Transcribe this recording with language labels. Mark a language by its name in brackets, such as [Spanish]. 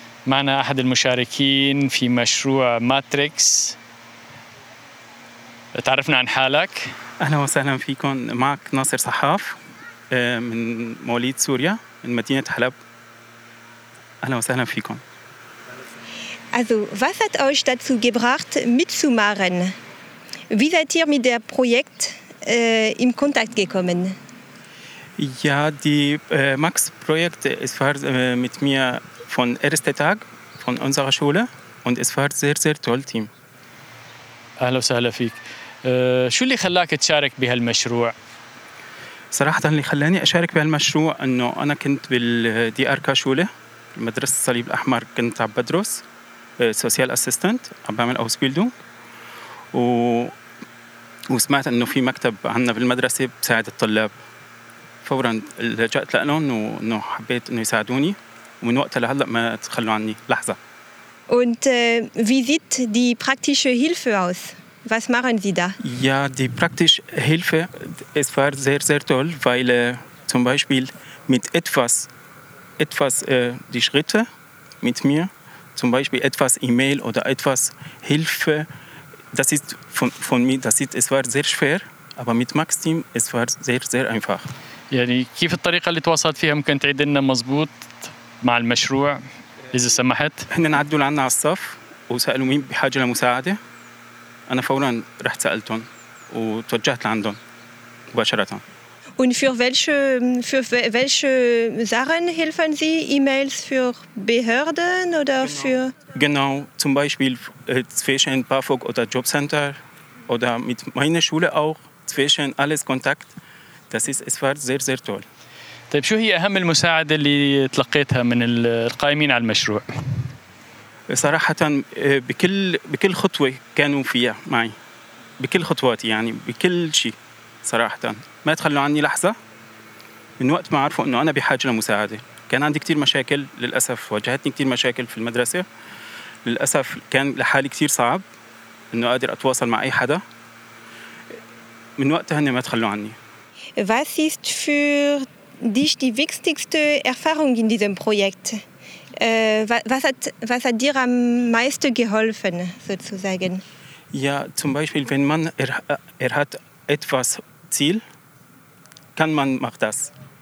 [Arabic] معنا أحد المشاركين في مشروع ماتريكس. تعرفنا عن حالك. أهلا وسهلا فيكم، معك ناصر صحاف من مواليد سوريا من مدينة حلب. أهلا وسهلا فيكم. [German] Also, was hat euch dazu gebracht, mitzumachen? Wie seid ihr mit dem Projekt in Kontakt gekommen? Ja, die Max-Projekt, es war mit mir von ersten Tag von unserer Schule und es war sehr, sehr toll Team. [Arabic] أهلا وسهلا فيك. شو اللي خلاك تشارك بهالمشروع؟ صراحة اللي خلاني أشارك بهالمشروع أنه أنا كنت بالدي أركا شولة مدرسة الصليب الأحمر كنت عم بدرس سوسيال أسيستنت عم بعمل أوس بيلدونج وسمعت أنه في مكتب عندنا بالمدرسة بساعد الطلاب فورا لجأت لألون وأنه حبيت أنه يساعدوني ومن وقتها لهلأ ما تخلوا عني لحظة. [German] Und wie sieht die praktische Hilfe aus? Was machen Sie da? Ja, die praktische Hilfe, es war sehr, sehr toll, weil zum Beispiel mit etwas die Schritte mit mir, zum Beispiel etwas E-Mail oder etwas Hilfe, das ist von mir, das ist, es war sehr schwer, aber mit Max-Team, es war sehr, sehr einfach. [Arabic] يعني كيف الطريقة اللي تواصلت فيها ممكن تعيد لنا مزبوط مع المشروع؟ إذا سمحت احنا نعدوا لعنا على الصف وسألوا مين بحاجة لمساعدة أنا فورا رحت سألتهم وتوجهت لعندهم مباشرة [German] Und für welche Sachen helfen Sie? E-Mails für Behörden oder genau. für... Genau, zum Beispiel zwischen BAföG oder Jobcenter oder mit meiner Schule auch, zwischen alles Kontakt. Das ist, es war sehr, sehr toll. [Arabic] طيب شو هي أهم المساعدة اللي تلقيتها من القائمين على المشروع؟ صراحة بكل خطوة كانوا فيها معي بكل خطواتي يعني بكل شيء صراحة ما تخلوا عني لحظة من وقت ما عرفوا أنه أنا بحاجة لمساعدة كان عندي كتير مشاكل للأسف واجهتني كتير مشاكل في المدرسة للأسف كان لحالي كتير صعب أنه قادر أتواصل مع أي حدا من وقتها أنه ما تخلوا عني [German] Was ist für dich die wichtigste Erfahrung in diesem Projekt? Was hat dir am meisten geholfen, sozusagen? Ja, zum Beispiel, wenn man er hat etwas Ziel, kann man macht das.